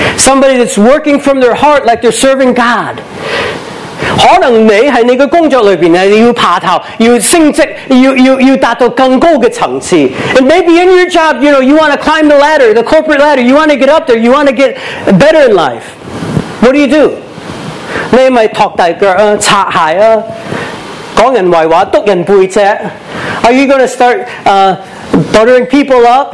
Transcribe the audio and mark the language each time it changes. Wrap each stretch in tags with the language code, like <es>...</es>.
<en>Somebody that's working from their heart, like they're serving God.</en> <yue>可能你喺你嘅工作里边，你要爬头，要升职，要达到更高嘅层次。</yue> <en>And maybe in your job, you know, you want to climb the ladder, the corporate ladder. You want to get up there. You want to get better in life. What do you do?</en> <yue>你咪托大脚啊，擦鞋啊。讲人坏话，督人背脊。</yue> <en>Are you going to start buttering people up?</en>